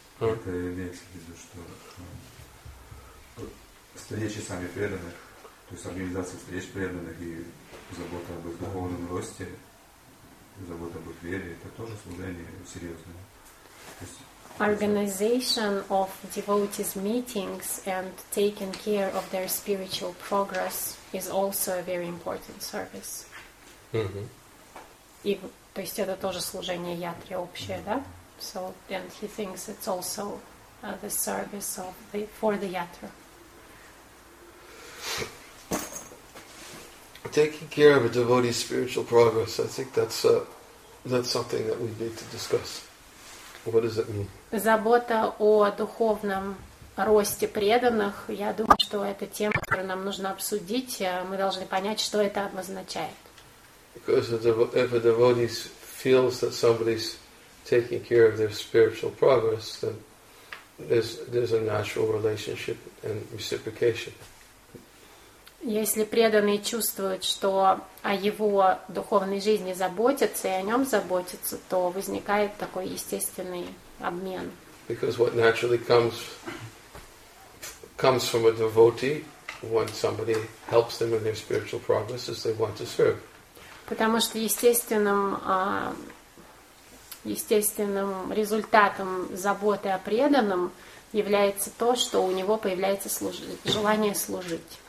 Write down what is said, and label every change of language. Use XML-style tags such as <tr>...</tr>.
<ru>Это имеется в виду, что встречи сами преданных, то есть организация встреч преданных и забота об их духовном росте, забота об их вере, это тоже служение серьезное.</ru> <en>Organization of devotees meetings and taking care of their spiritual progress is also a very important service.</en> <ru>И, то есть это тоже служение Ятре общее, да?</ru> <en>So, and he thinks it's also the service of the, for the Yatra. Taking care of a devotee's spiritual progress, I think that's something that we need to discuss. What does it mean?</en> <ru>Забота о духовном росте преданных, я думаю, что это тема, которую нам нужно обсудить. Мы должны понять, что это обозначает.</ru> <en>Because if a devotee feels that somebody's taking care of their spiritual progress, then there's a natural relationship and reciprocation.</en> <ru>Если преданный чувствует, что о его духовной жизни заботятся и о нем заботятся, то возникает такой естественный обмен.</ru> <en>Because what naturally comes from a devotee when somebody helps them in their spiritual progress is they want to serve.</en> <ru>Потому что естественным результатом заботы о преданном является то, что у него появляется желание служить.</ru>